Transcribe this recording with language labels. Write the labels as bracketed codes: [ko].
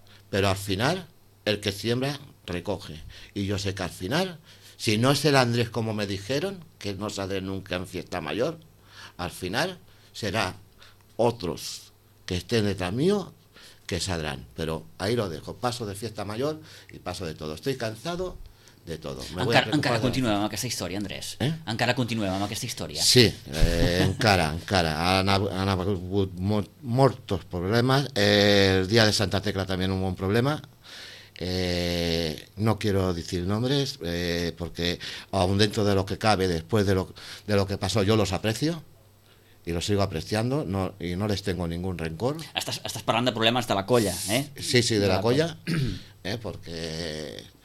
[es] Pero al final, el que siembra, recoge. Y yo sé que al final... Si no es el Andrés como me dijeron, que no saldré nunca en fiesta mayor, al final será otros que estén detrás mío que saldrán. Pero ahí lo dejo, paso de fiesta mayor y paso de todo. Estoy cansado de todo. [ca] Encara continuem amb aquesta història, Andrés. Encara continuem amb aquesta història. Sí, encara. Han hagut molts problemes. El dia de Santa Tecla també hi ha un bon problema. [es] No quiero decir nombres, porque aún dentro de lo que cabe, después de lo que pasó, yo los aprecio y los sigo apreciando, no, y no les tengo ningún rencor. [ca] Estás parlant de problemas de la colla, ¿eh? [es] Sí, de la colla, porque...